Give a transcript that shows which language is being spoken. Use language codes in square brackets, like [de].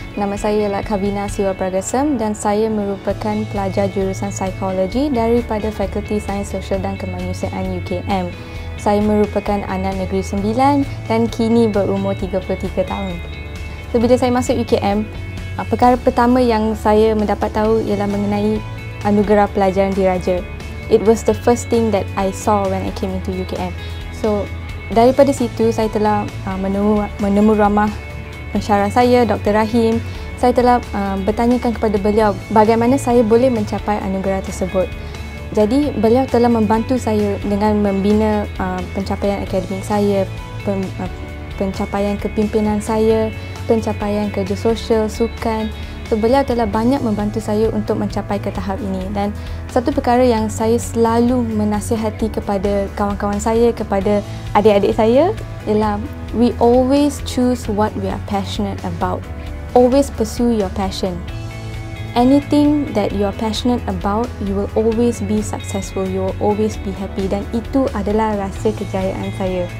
[ms] Nama saya ialah Kavina Siwa Pragasam dan saya merupakan pelajar jurusan psikologi daripada Fakulti Sains Sosial dan Kemanusiaan UKM. Saya merupakan anak Negeri Sembilan dan kini berumur 33 tahun. Sebila saya masuk UKM, perkara pertama yang saya mendapat tahu ialah mengenai anugerah pelajaran diraja. [en] It was the first thing that I saw when I came into UKM. [ms] So, daripada situ saya telah menemu ramah pensyarah saya, Dr. Rahim. Saya telah bertanyakan kepada beliau bagaimana saya boleh mencapai anugerah tersebut. Jadi, beliau telah membantu saya dengan membina pencapaian akademik saya, pencapaian kepimpinan saya, pencapaian kerja sosial, sukan. So, beliau telah banyak membantu saya untuk mencapai ke tahap ini. Dan satu perkara yang saya selalu menasihati kepada kawan-kawan saya, kepada adik-adik saya ialah [en] we always choose what we are passionate about. Always pursue your passion. Anything that you are passionate about, you will always be successful, you will always be happy. [ms] Dan itu adalah rahsia kejayaan saya.